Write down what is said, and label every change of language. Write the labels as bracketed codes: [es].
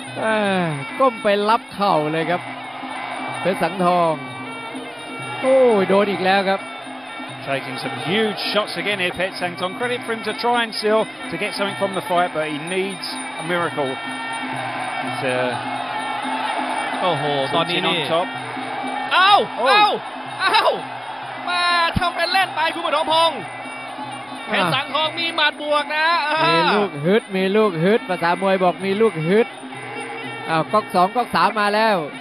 [th] ๆก้มไปรับเข่าเลยครับเพชรสังทองโอ้ยโดนอีกแล้วครับ [en] taking some huge shots again here Pet Seng Tong credit for him to try and still to get something from the fight but he needs a miracle he's [th] โอ้โหตอนนี้นี่ top เอ้าเอ้าเอ้ามาทำเป็นเล่นไปคุณหมอทองพงศ์เพชรสังทองมีหมัดบวกนะ มีลูกฮึดภาษามวยบอกมีลูกฮึดอ้าวก๊อก2ก๊อก3มาแล้ว